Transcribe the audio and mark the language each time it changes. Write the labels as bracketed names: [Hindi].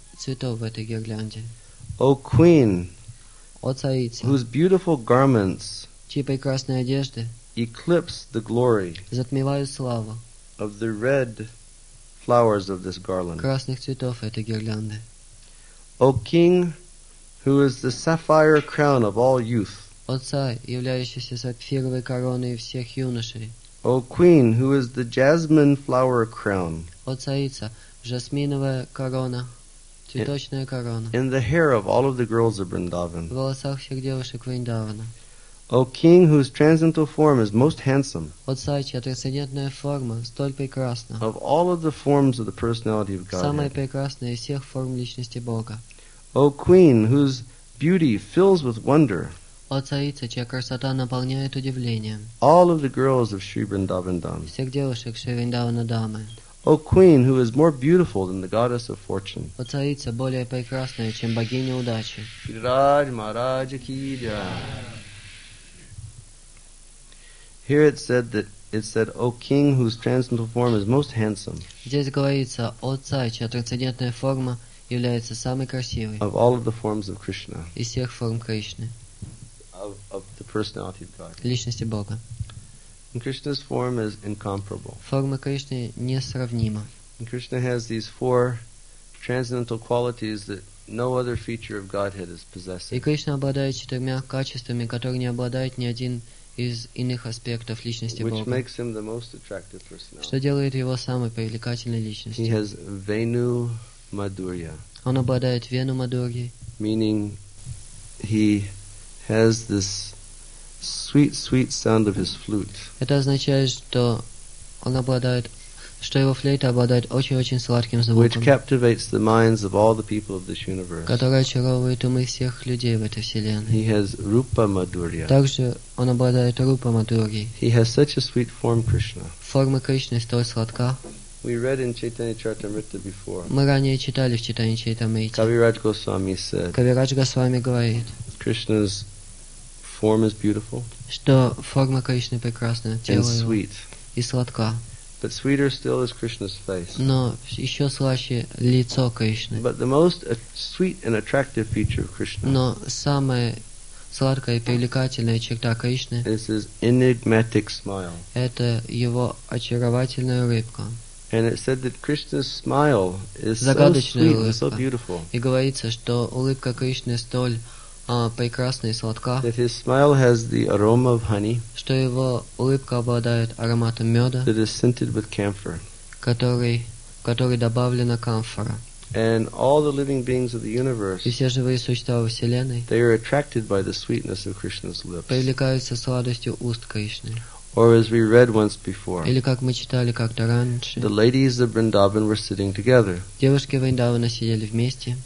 [Russian] Цветов в этой гирлянде. [English] O queen. [Russian] О царице. [English] Whose beautiful garments. [Russian] Чьи прекрасные одежды. [English] Eclipse the glory. [Russian] Затмевают славу. [English] Of the red flowers of this garland. [Russian] Красных цветов этой гирлянды. [English] O king, who is the sapphire crown of all youth. [Russian] О царь, являющийся сапфировой короной всех юношей. [English] O queen, who is the jasmine flower crown. [Russian] О царица, жасминовая корона, цветочная корона. [English] In the hair of all of the girls of Vrindavan. [Russian] В волосах всех девушек Вриндавана. [English] O king, whose transcendental form is most handsome. [Russian] О царь, чья трансцендентная форма столь прекрасна. [English] Of all of the forms of the personality of Godhead. [Russian] Самая прекрасная из всех форм личности Бога. [English] O queen, whose beauty fills with wonder. [Russian] О царица, чья красота наполняет удивлением. [English] All of the girls of Sri Vrindavan Dham. [Russian] Всех девушек Шри Вриндавана Дамы. [English] O queen, who is more beautiful than the goddess of fortune. [Russian] О царица, более прекрасная, чем богиня удачи. [Hindi] Гирирадж Махарадж Ки Джай. [English] Here it said, O king, whose transcendental form is most handsome. [Russian] Здесь говорится, о царь, чья трансцендентная форма является самой красивой. [English] Of all of the forms of Krishna. [Russian] Из всех форм Кришны. [English] Of the personality of God. [Russian] Личности Бога. [English] And Krishna's form is incomparable. [Russian] Форма Кришны несравнима. [English] And Krishna has these four transcendental qualities that no other feature of Godhead is possessing. [Russian] И Кришна обладает четырьмя качествами, которые не обладает ни один из иных аспектов личности [English] Which [Russian] Бога. [English] Which makes him the most attractive personality. [Russian] Что делает его самой привлекательной личностью? [English] He has venu madhurya. [Russian] Он обладает вену мадурьей. [English] Meaning, he has this sweet, sweet sound of his flute. [Russian] Это означает, что он обладает, что его флейта обладает очень-очень сладким звуком. [English] Which captivates the minds of all the people of this universe. [Russian] Которая очаровывает умы всех людей в этой вселенной. [English] He has rupa madhurya. [Russian] Также он обладает рупа мадурьей. [English] He has such a sweet form, Krishna. [Russian] Форма Кришны столь сладка. [English] We read in Chaitanya Charitamrita before. [Russian] Мы ранее читали в Чайтанья Чаритамрите. [English] Кавирадж Госвами said. [Russian] Кавирадж Госвами говорит. [English] Krishna's form is beautiful. [Russian] Что форма Кришны прекрасна. [English] And sweet. [Russian] И сладка. [English] But sweeter still is Krishna's face. [Russian] Но еще слаще лицо Кришны. [English] But the most sweet and attractive feature of Krishna. [Russian] Но самая сладкая и привлекательная черта Кришны. [English] Is his enigmatic smile. [Russian] Это его очаровательная улыбка. [English] And it said that Krishna's smile is so sweet and so beautiful. [Russian] И говорится, что улыбка Кришны столь прекрасная и сладка. [English] That his smile has the aroma of honey. [Russian] Что его улыбка обладает ароматом меда. [English] That is scented with camphor. [Russian] Который добавлена камфора. [English] And all the living beings of the universe. [Russian] И все живые существа во вселенной. [English] They are attracted by the sweetness of Krishna's lips. [Russian] Привлекаются сладостью уст Кришны. [English] Or as we read once before. [Russian] Или как мы читали как-то раньше. [English] The ladies of Vrindavan were sitting together. [Russian] Девушки Вриндавана сидели вместе.